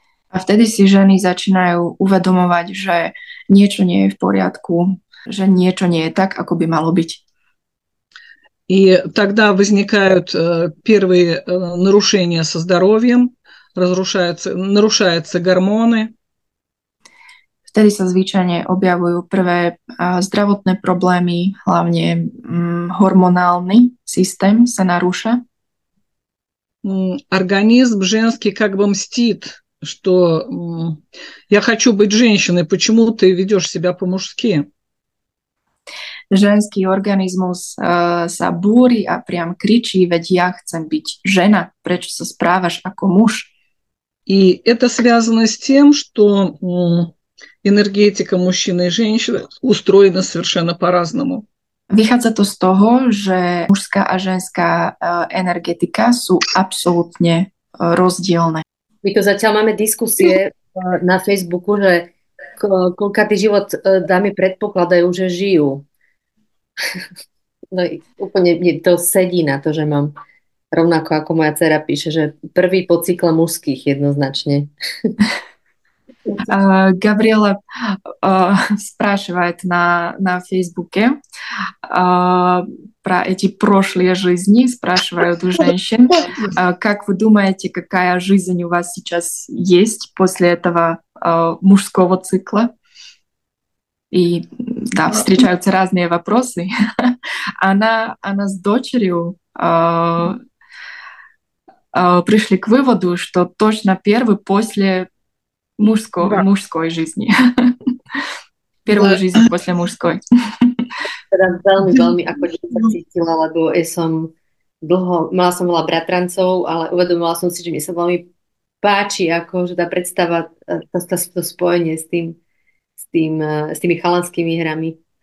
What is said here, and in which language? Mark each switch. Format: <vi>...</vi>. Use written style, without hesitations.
<sk>A vtedy si ženy začínajú uvedomovať, že niečo nie je v poriadku, že niečo nie je tak, ako by malo byť.</sk> <ru>И тогда возникают первые нарушения со здоровьем, нарушаются гормоны.</ru> <sk>Втеди sa zvyčajne objavujú prvé zdravotné problémy, hlavne hormonálny systém sa narúša.</sk> <ru>Организм женский как бы мстит, что я хочу быть женщиной, почему ты ведешь себя по-мужски?</ru> <sk>Ženský organizmus sa búri a priam kričí, veď ja chcem byť žena, prečo sa správaš ako muž?</sk> <ru>И это связано с тем, что энергетика мужчины и женщины устроена совершенно по-разному.</ru> <sk>Vychádza to z toho, že mužská a ženská energetika sú absolútne rozdielne. My tu zatiaľ máme diskusie na Facebooku, že koľkatý život dámy predpokladajú, že žijú. No úplne mi to sedí na to, že mám rovnako ako moja dcera píše, že prvý po cykle mužských jednoznačne. Gabriela spraševať na Facebooke</sk> <ru>про эти прошлые жизни, спрашивают у женщин, как вы думаете, какая жизнь у вас сейчас есть после этого мужского цикла? И да, встречаются разные вопросы. Она с дочерью пришли к выводу, что точно первый после Да. мужской жизни. Первую жизнь после мужской.</ru> <sk>teda veľmi, veľmi ako dieťa cítila, lebo ja som dlho, mala som veľa bratrancov, ale uvedomila som si, že mi sa veľmi páči, ako, že tá predstava, to spojenie s tými chalanskými hrami.</sk>